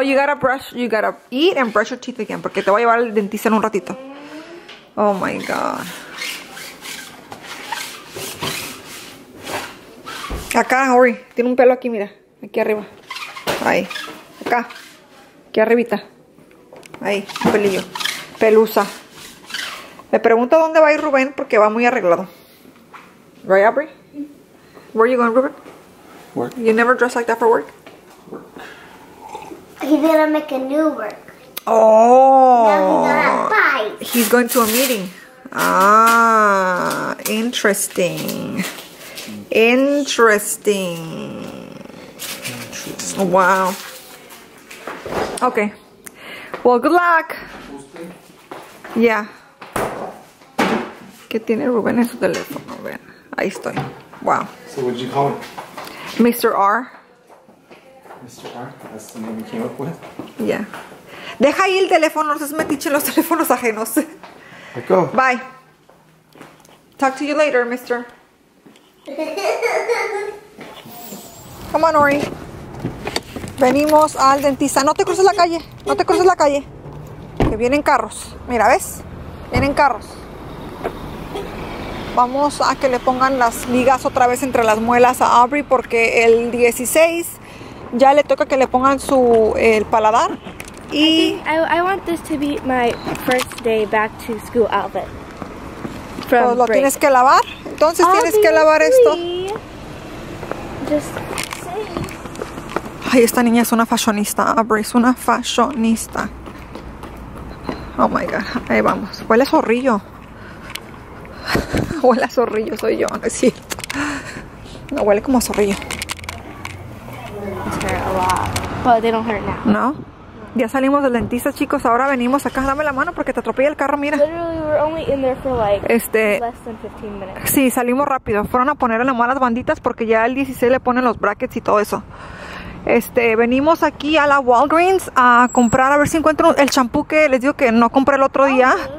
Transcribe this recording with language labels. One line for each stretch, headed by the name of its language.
English: you gotta brush, you gotta eat and brush your teeth again.
Spanish: Porque te voy a llevar al dentista en un ratito.
English: Oh my god.
Spanish: Acá, Ori. Tiene un pelo aquí, mira. Aquí arriba. Ahí. Acá. Aquí arribita. Ahí, un pelillo. Pelusa. Me pregunto dónde va a ir Rubén porque va muy arreglado.
English: Right, Aubrey? Where are you going, Rubén? Work. You never dress like that for work? He's gonna make a new work. Oh. Now he's gonna fight. He's going to a meeting. Ah, interesting. Interesting. Wow. Okay. Well, good luck. Yeah.
Spanish: ¿Qué tiene Rubén en su teléfono? Ven. Ahí estoy. Wow.
English: So what did you call him? Mr. R. Mr. R, that's the name you came up with? Yeah.
Spanish: Deja ahí el teléfono, no seas metiche en los teléfonos ajenos.
English: Let go. Bye. Talk to you later, mister. Come on, Ori.
Spanish: Venimos al dentista. No te cruces la calle. No te cruces la calle. Que vienen carros. Mira, ¿ves? Vienen carros. Vamos a que le pongan las ligas otra vez entre las muelas a Aubrey porque el 16 ya le toca que le pongan su el paladar. Y
English: I want this to be my first day back to school outfit.
Spanish: Pues lo
English: break.
Spanish: Tienes que lavar. Entonces Aubrey, tienes que lavar esto.
English: Just
Spanish: ay, esta niña es una fashionista. Aubrey es una fashionista.
English: Oh my god.
Spanish: Ahí vamos. Huele a zorrillo. Huele a zorrillo, soy yo, no es cierto. No, huele como a zorrillo.
English: It's hurt a lot. But they don't hurt now.
Spanish: No? Ya salimos del dentista, chicos. Ahora venimos acá. Dame la mano porque te atropella el carro, mira.
English: Literally, we're only in there for like less than 15 minutes.
Spanish: Sí, salimos rápido. Fueron a poner en la mano las banditas porque ya el 16 le ponen los brackets y todo eso. Venimos aquí a la Walgreens a comprar, a ver si encuentro el champú que les digo que no compré el otro día.